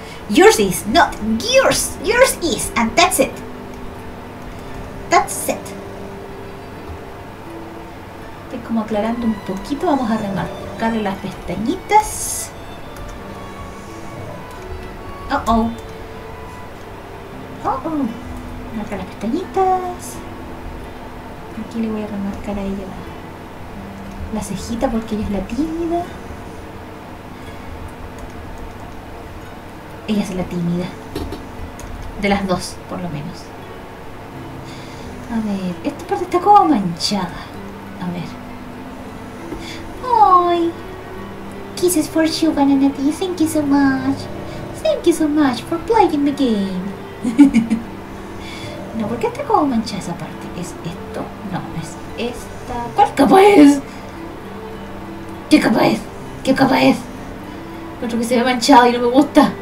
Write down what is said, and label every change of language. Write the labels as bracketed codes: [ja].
[en] Yours is, not yours, yours is, and that's it. That's it. [es] Estoy como aclarando un poquito, vamos a remarcarle las pestañitas. Oh, marca las pestañitas. Aquí le voy a remarcar a ella la cejita porque ella es la tímida. Ella es la tímida. De las dos, por lo menos. A ver, esta parte está como manchada. A ver. Ay. [en] Kisses for you, Banana T. Thank you so much. Thank you so much for playing the game. [es] No, ¿por qué está como manchada esa parte? ¿Es esto? No, es esta. ¿Cuál capa es? ¿Qué capa es? ¿Qué capa es? Encuentro que se ve manchado y no me gusta.